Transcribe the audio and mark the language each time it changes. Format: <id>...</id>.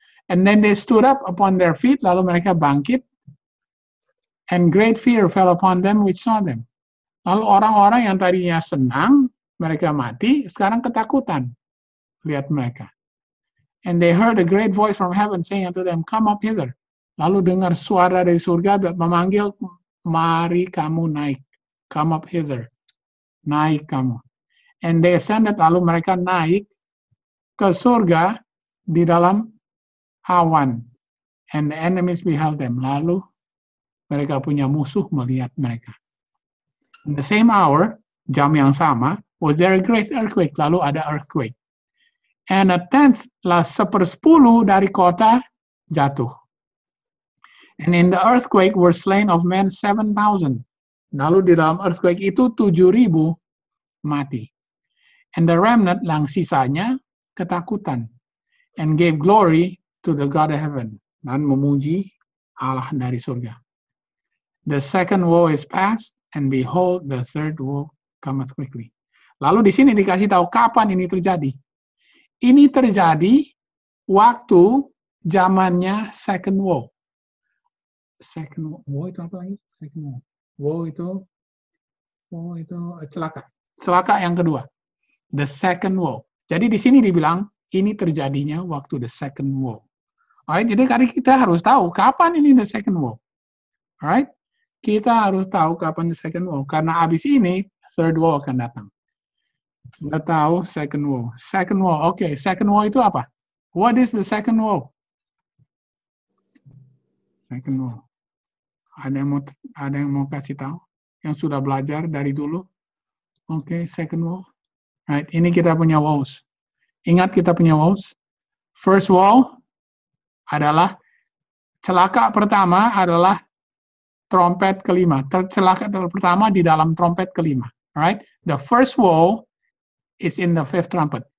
<en>And then they stood up upon their feet,</en> <id>lalu mereka bangkit.</id> <en>And great fear fell upon them which saw them.</en> <id>Lalu orang-orang yang tadinya senang, mereka mati, sekarang ketakutan lihat mereka.</id> <en>And they heard a great voice from heaven saying unto them, come up hither.</en> <id>Lalu dengar suara dari surga memanggil, mari kamu naik.</id> <en>Come up hither.</en> <id>Naik kamu.</id> <en>And they ascended,</en> <id>lalu mereka naik ke surga di dalam awan.</id> <en>And the enemies beheld them.</en> <id>Lalu mereka punya musuh melihat mereka.</id> <en>In the same hour,</en> <id>jam yang sama,</id> <en>was there a great earthquake.</en> <id>Lalu ada earthquake.</id> <en>And a tenth,</en> <id>lah 1/10 dari kota jatuh.</id> <en>And in the earthquake were slain of men 7,000.</en> <id>Lalu di dalam earthquake itu 7,000 mati.</id> <en>And the remnant,</en> <id>lang sisanya, ketakutan.</id> <en>And gave glory to the God of heaven.</en> <id>Dan memuji Allah dari surga.</id> <en>The second woe is past, and behold, the third woe cometh quickly.</en> <id>Lalu di sini dikasih tahu kapan ini terjadi. Ini terjadi waktu zamannya second woe. Second woe itu apa lagi? Second woe. Woe itu celaka. Celaka yang kedua. The second woe. Jadi di sini dibilang ini terjadinya waktu the second woe. Alright, jadi kali kita harus tahu kapan ini the second woe. Alright? Kita harus tahu kapan the second woe. Karena abis ini, third woe akan datang. Kita tahu second woe. Second woe, okay. Second woe itu apa?</id> <en>What is the second woe?</en> <id>Second woe. Ada yang mau kasih tahu? Yang sudah belajar dari dulu? Okay, second woe. Right, ini kita punya woes. Ingat kita punya woes. First woe adalah, celaka pertama adalah trompet kelima. Celaka pertama di dalam trompet kelima. Right?</id> <en>The first woe is in the fifth trumpet.</en>